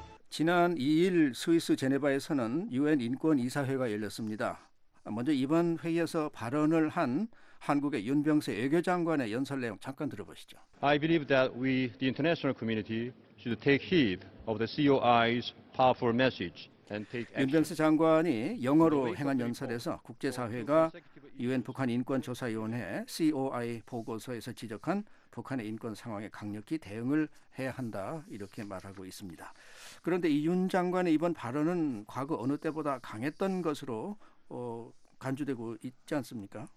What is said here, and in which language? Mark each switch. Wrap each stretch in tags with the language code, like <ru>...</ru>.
<ko>지난 2일 스위스 제네바에서는 유엔 인권이사회가 열렸습니다. 먼저 이번 회의에서 발언을 한 한국의 윤병세 외교장관의 연설 내용 잠깐 들어보시죠.</ko> <en>I believe that we, the international community, should take heed of the COI's powerful message.</en> <ko>윤병세 장관이 영어로 행한 연설에서 국제사회가 유엔 북한인권조사위원회 COI 보고서에서 지적한 북한의 인권 상황에 강력히 대응을 해야 한다 이렇게 말하고 있습니다. 그런데 이 윤 장관의 이번 발언은 과거 어느 때보다 강했던 것으로 간주되고 있지 않습니까?</ko>